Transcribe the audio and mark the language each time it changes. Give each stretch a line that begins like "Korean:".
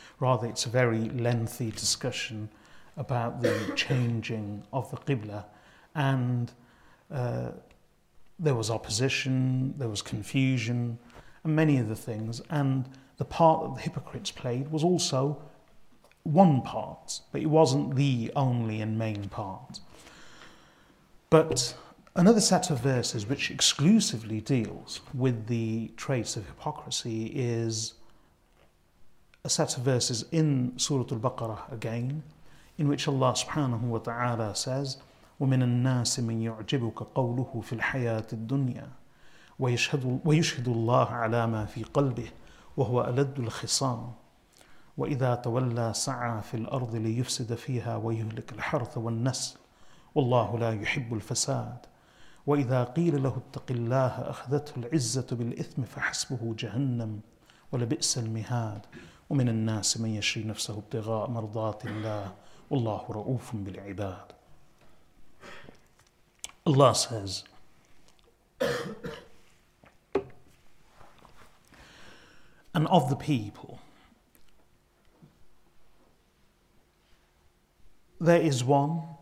English: Rather, it's a very lengthy discussion about the changing of the Qibla. And there was opposition, there was confusion, and many other things. And the part that the hypocrites played was also one part, but it wasn't the only and main part. But another set of verses which exclusively deals with the traits of hypocrisy is a set of verses in Surah Al-Baqarah again, in which Allah subhanahu wa ta'ala says,
Arabic: وَمِنَ النَّاسِ مِنْ يُعْجِبُكَ قَوْلُهُ فِي الْحَيَاةِ الدُّنْيَا وَيُشْهِدُ اللَّهَ عَلَى مَا فِي قَلْبِهِ وَهُوَ أَلَدُّ الْخِصَامِ وَإِذَا تَوَلَّى سَعَى فِي الْأَرْضِ لِيُفْسِدَ فِيهَا وَيُهْلِكَ الْحَرْثَ وَالنَّسْلَ وَاللَّهُ لَا يُحِبُّ الْفَسَادَ وَإِذَا قِيلَ لَهُ اتَّقِ اللَّهَ أَخَذَتْهُ الْعِزَّةُ بِالْإِثْمِ فَحَسْبُهُ جَهَنَّمُ وَلَبِئْسَ الْمِهَادُ وَمِنَ النَّاسِ مَنْ يَشْرِي نَفْسَهُ ابْتِغَاءَ مَرْضَاتِ اللَّهِ وَاللَّهُ رَؤُوفٌ بِالْعِبَادِ.
English: Allah says, and of the people, there is one.